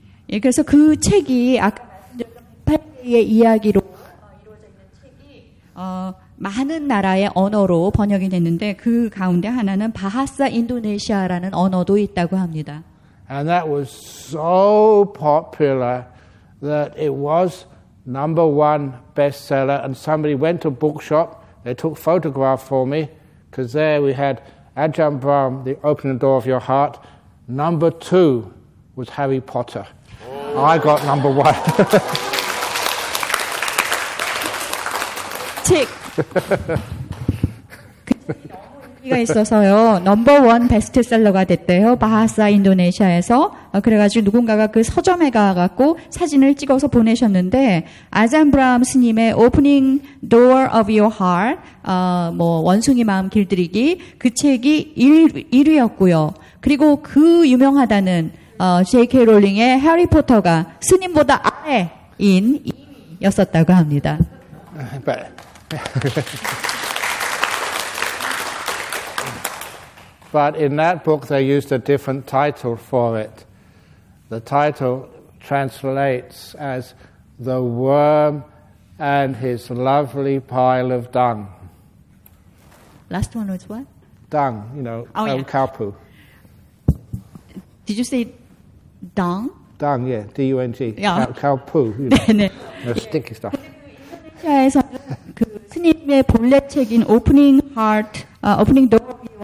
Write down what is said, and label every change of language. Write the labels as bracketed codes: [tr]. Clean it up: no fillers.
[ko] 예, 그래서 그 책이 아카데미의 이야기로 이루어져 있는 책이 많은 나라의 언어로 번역이 됐는데 그 가운데 하나는 바하사 인도네시아라는 언어도 있다고 합니다. [en] And that was so popular that it was number one bestseller. And somebody went to a bookshop. They took a photograph for me because there we had. Ajahn Brahm, the opening door of your heart. Number two was Harry Potter. I got number one. [ko] 책. 너무 인기가 있어서요. 넘버 원 베스트셀러가 됐대요. 바하사 인도네시아에서. 그래가지고 누군가가 그 서점에 가서 사진을 찍어서 보내셨는데 아잔 브람 스님의 Opening Door of Your Heart 뭐 원숭이 마음 길들이기 그 책이 1위였고요. 그리고 그 유명하다는 J.K. 롤링의 해리포터가 스님보다 아래인 2위였었다고 합니다. [en] But, But in that book they used a different title for it. The title translates as The Worm and His Lovely Pile of Dung. Last one was what? Dung, you know, oh, yeah. Cow poo. Did you say dung? Dung, yeah, D-U-N-G. Yeah. Cow poo, you know, the stinky stuff. [ko] 인도네시아에서 그 스님의 본래 책인 Opening Heart, Opening Door.